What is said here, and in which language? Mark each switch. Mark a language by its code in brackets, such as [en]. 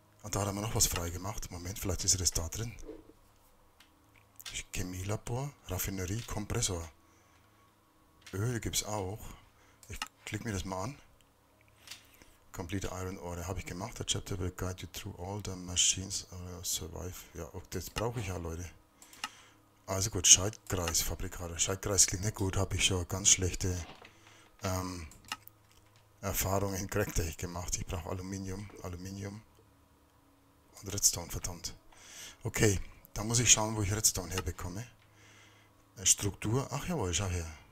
[de] Da haben wir noch was freigemacht. Moment, vielleicht ist das da drin. Chemielabor, Raffinerie, Kompressor. Öl gibt es auch. Ich klicke mir das mal an. Complete Iron Ore habe ich gemacht. [en] The Chapter will guide you through all the machines survive. [de] Ja, das brauche ich ja, Leute. Also gut, Schaltkreisfabrikator. Schaltkreis klingt nicht gut, habe ich schon ganz schlechte Erfahrungen in Cracktech gemacht. Ich brauche Aluminium und Redstone, verdammt. Okay, da muss ich schauen, wo ich Redstone herbekomme. Struktur, ach jawohl, schau her.